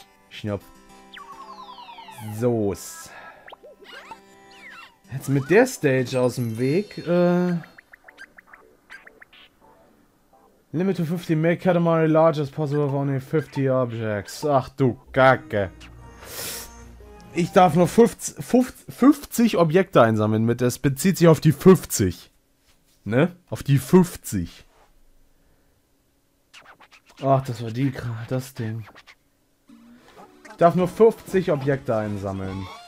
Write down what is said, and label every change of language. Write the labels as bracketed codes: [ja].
[de] Schnupp. So's. Jetzt mit der Stage aus dem Weg. [en] Limit to 50, make Katamari large as possible of only 50 objects. [de] Ach du Kacke. Ich darf nur 50 Objekte einsammeln mit. Das bezieht sich auf die 50. Ne? Auf die 50. Ach, das war die gerade, das Ding. Ich darf nur 50 Objekte einsammeln.